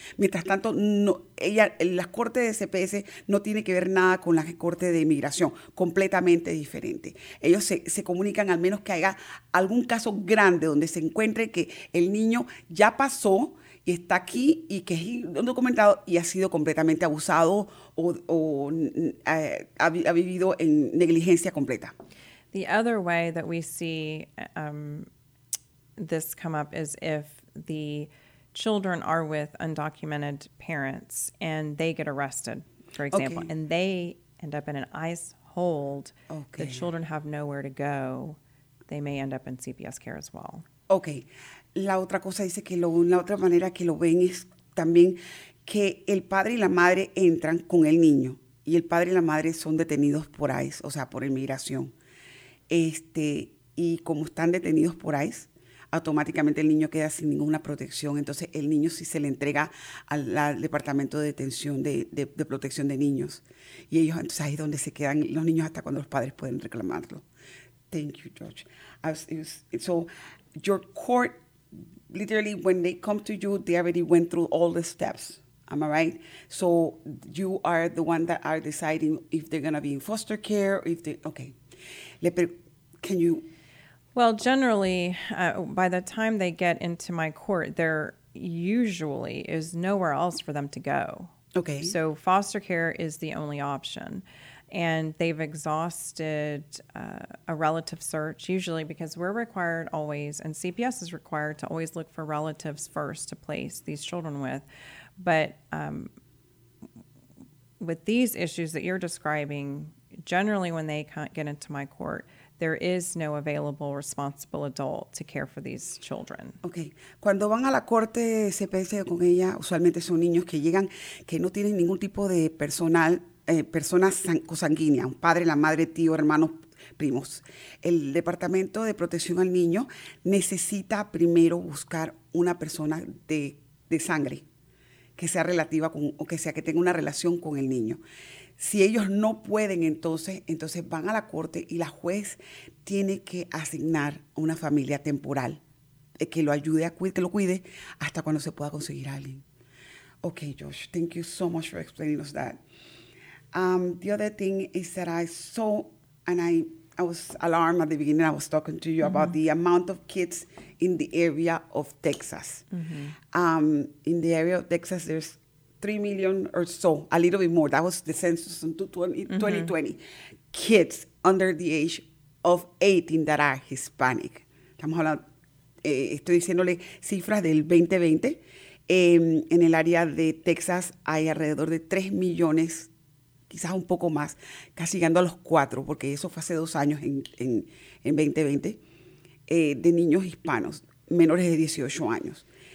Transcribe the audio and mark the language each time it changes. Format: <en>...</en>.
<es>Mientras tanto, la corte de CPS no tiene que ver nada con la corte de inmigración, completamente diferente. Ellos se comunican al menos que haya algún caso grande donde se encuentre que el niño ya pasó y está aquí y que es indocumentado y ha sido completamente abusado o ha vivido en negligencia completa.</es> <en>The other way that we see this come up is if the children are with undocumented parents and they get arrested, for example, okay. and they end up in an ICE hold, okay. the children have nowhere to go, they may end up in CPS care as well. Okay.</en> <es>La otra cosa dice que la otra manera que lo ven es también que el padre y la madre entran con el niño y el padre y la madre son detenidos por ICE, o sea, por inmigración. Y como están detenidos por ICE, automáticamente el niño queda sin ninguna protección. Entonces, el niño sí se le entrega al Departamento de Detención de Protección de Niños. Y ellos, entonces, ahí es donde se quedan los niños hasta cuando los padres pueden reclamarlo.</es> <en>Thank you, George. So, your court... Literally, when they come to you, they already went through all the steps. Am I right? So you are the one that are deciding if they're going to be in foster care, if they, okay. Can you? Well, generally, by the time they get into my court, there usually is nowhere else for them to go. Okay. So foster care is the only option. And they've exhausted a relative search, usually because we're required always, and CPS is required to always look for relatives first to place these children with. But with these issues that you're describing, generally when they can't get into my court, there is no available responsible adult to care for these children. Okay.</en> <es>Cuando van a la corte CPS con ella, usualmente son niños que llegan que no tienen ningún tipo de personal, personas consanguíneas, un padre, la madre, tío, hermanos, primos. El Departamento de Protección al Niño necesita primero buscar una persona de sangre que sea relativa con, o que sea que tenga una relación con el niño. Si ellos no pueden, entonces van a la corte y la juez tiene que asignar una familia temporal que lo ayude a cuidar, que lo cuide hasta cuando se pueda conseguir a alguien.</es> <en>Okay, Josh, thank you so much for explaining us that. The other thing is that I saw, and I was alarmed at the beginning. I was talking to you mm-hmm. about the amount of kids in the area of Texas. Mm-hmm. In the area of Texas, there's 3 million or so, a little bit more. That was the census in 2020. Mm-hmm. Kids under the age of 18 that are Hispanic.</en> <es>Estamos hablando, estoy diciéndole cifras del 2020. En el área de Texas hay alrededor de 3 millones, quizás un poco más, casi llegando a los 4, porque eso fue hace 2 años en 2020, de niños hispanos menores de 18 años.</es>